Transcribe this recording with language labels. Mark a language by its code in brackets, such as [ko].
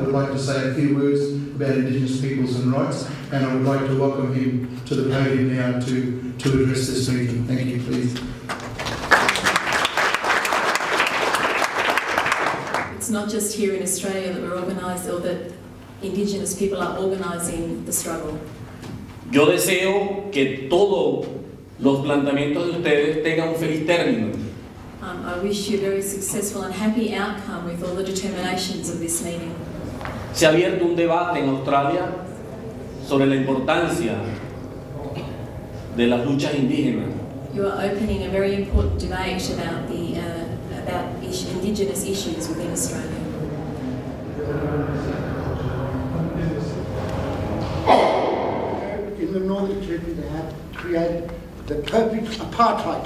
[en] Would like to say a few words about Indigenous peoples and rights, and I would like to welcome him to the podium now to address this meeting. Thank you, please. It's not just here in Australia that we're organised or that Indigenous people are organising the struggle. [es] Yo deseo que todos los planteamientos de ustedes tengan un feliz término. [en] I wish you a very successful and happy outcome with all the determinations of this meeting. [es] Se ha abierto un debate en Australia sobre la importancia de las luchas indígenas. [en] You are opening a very important debate about the about Indigenous issues within Australia? In the Northern Territory, they have created the perfect apartheid.